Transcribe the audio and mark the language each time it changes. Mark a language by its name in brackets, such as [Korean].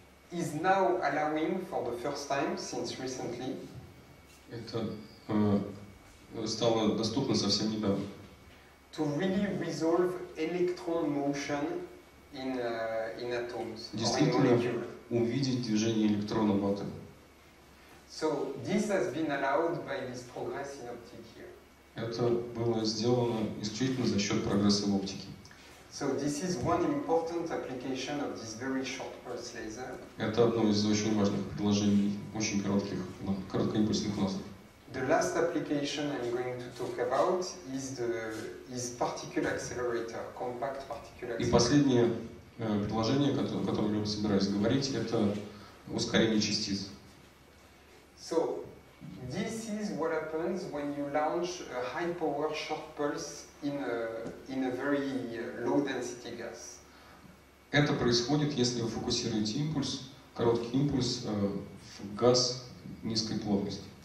[English] Is now allowing for the first time since recently. [Russian] Это стало доступно совсем недавно. [English] To really resolve electron motion in atoms. [Russian] Действительно, увидеть движение электрона в атоме. [English] So this has been allowed by this progress in optics here. [Russian] Это было сделано исключительно за счет прогресса в оптике. [English] So this is one important application of this very short pulse laser. [Russian] Это одно из очень важных приложений очень коротких короткоимпульсных лазеров. [English] The last application I'm going to talk about is particle accelerator, compact particle accelerator. [Russian] И последнее приложение, о котором я собираюсь говорить, это ускорение частиц. [English] So, this is what happens when you launch a high power short pulse in a very low density gas. [Russian] Это происходит, если вы фокусируете импульс, короткий импульс в газ низкой плотности.